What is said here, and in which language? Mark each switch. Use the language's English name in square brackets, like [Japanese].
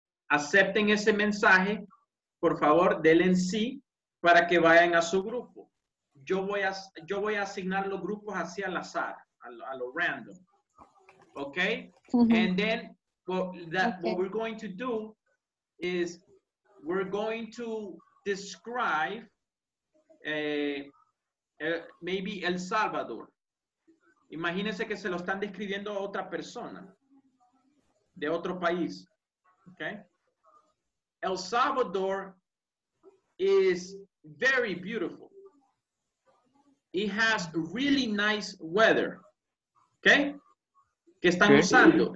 [Spanish] Acepten ese mensaje, por favor, denle sí para que vayan a su grupo. Yo voy a asignar los grupos así al azar. A lo random. Okay? Mm-hmm. [English] And then what we're going to do is we're going to describe maybe El Salvador. [Spanish] Imagínense que se lo están describiendo a otra persona de otro país. [English] Okay? El Salvador is very beautiful. It has really nice weather. Okay? [Spanish] ¿Qué están usando?